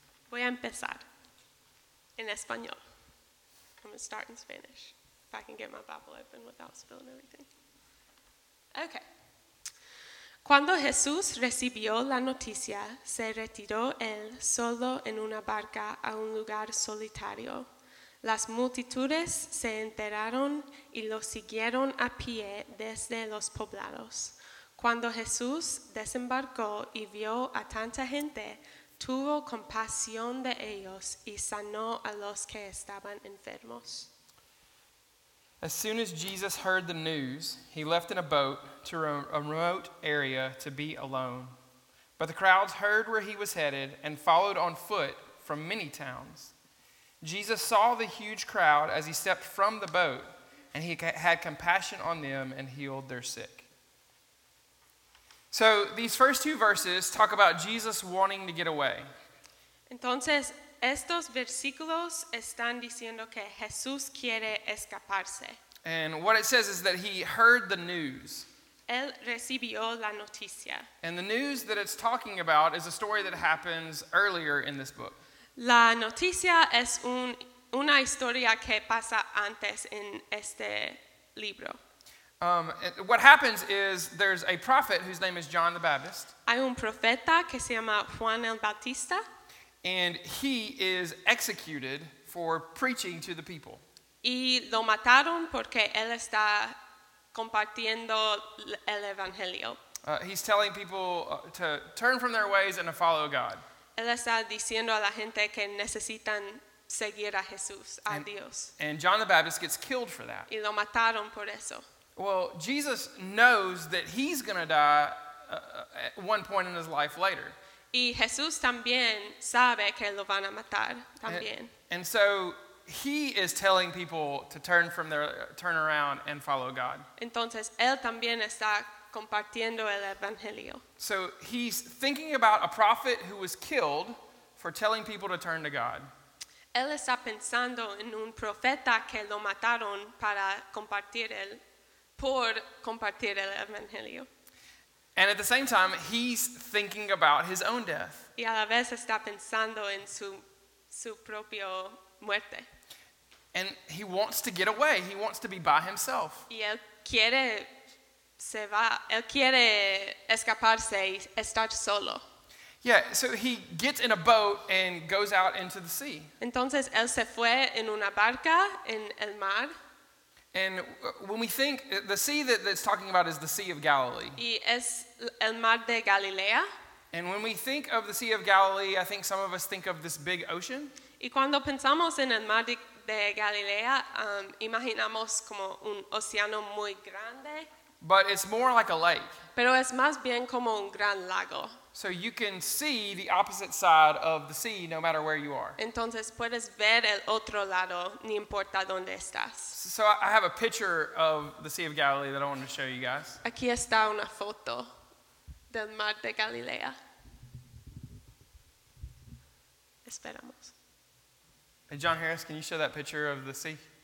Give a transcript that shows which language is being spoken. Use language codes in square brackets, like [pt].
[es] Voy a empezar en español. [en] I'm going to start in Spanish. If I can get my Bible open without spilling everything. Okay. [es] Cuando Jesús recibió la noticia, se retiró él solo en una barca a un lugar solitario. Las multitudes se enteraron y lo siguieron a pie desde los poblados. Cuando Jesús desembarcó y vio a tanta gente, tuvo compasión de ellos y sanó a los que estaban enfermos. [en] As soon as Jesus heard the news, he left in a boat to a remote area to be alone. But the crowds heard where he was headed and followed on foot from many towns. Jesus saw the huge crowd as he stepped from the boat, and he had compassion on them and healed their sick. So these first two verses talk about Jesus wanting to get away. [es] Entonces, estos versículos están diciendo que Jesús quiere escaparse. [en] And what it says is that he heard the news. [es] Él recibió la noticia. [en] And the news that it's talking about is a story that happens earlier in this book. [es] La noticia es una historia que pasa antes en este libro. [en] What happens is there's a prophet whose name is John the Baptist. [es] Hay un profeta que se llama Juan el Bautista. [en] And he is executed for preaching to the people. [es] Y lo mataron porque él está compartiendo el evangelio. [en] He's telling people to turn from their ways and to follow God. [es] Él está diciendo a la gente que necesitan seguir a Jesús, a Dios. [en] And John the Baptist gets killed for that. [es] Y lo mataron por eso. [en] Well, Jesus knows that he's going to die at one point in his life later. [es] Y Jesús también sabe que lo van a matar también. [en] And so he is telling people to turn around and follow God. [es] Entonces él también está compartiendo el evangelio. [en] So he's thinking about a prophet who was killed for telling people to turn to God. [es] Él está pensando en un profeta que lo mataron para compartir el por compartir el evangelio. [en] And at the same time, he's thinking about his own death. [es] Y a la vez está pensando en su propio muerte. [en] And he wants to get away. He wants to be by himself. [es] Y él quiere se va. Él quiere escaparse y estar solo. [en] Yeah, so he gets in a boat and goes out into the sea. [es] Entonces él se fue en una barca en el mar. [en] And when we think, the sea that it's talking about is the Sea of Galilee. [es] Y es el mar de Galilea. [en] And when we think of the Sea of Galilee, I think some of us think of this big ocean. [es] Y cuando pensamos en el mar de Galilea, imaginamos como un océano muy grande. [en] But it's more like a lake. [es] Pero es más bien como un gran lago. [en] So you can see the opposite side of the sea no matter where you are. [es] Entonces puedes ver el otro lado, ni importa dónde estás. [en] So I have a picture of the Sea of Galilee that I wanted to show you guys. [es] Aquí está una foto del mar de Galilea. Esperamos. [en] Hey, John Harris, can you show that picture of the sea?